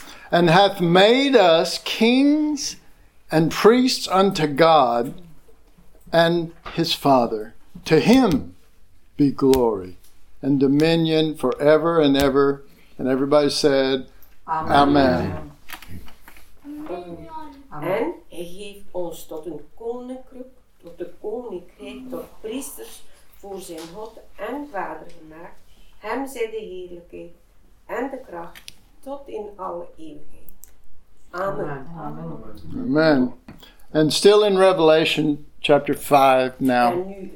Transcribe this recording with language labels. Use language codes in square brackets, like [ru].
[en] And hath made us kings and priests unto God and his Father. To him be glory and dominion forever and ever. And everybody said, Amen. [nl] En hij heeft ons tot een koninkrijk, tot de koninkrijk, tot priesters voor zijn God en Vader gemaakt. Hem zij de heerlijkheid en de kracht tot in alle eeuwigheid. Amen. Amen. Amen. [en] And still in Revelation chapter 5 now.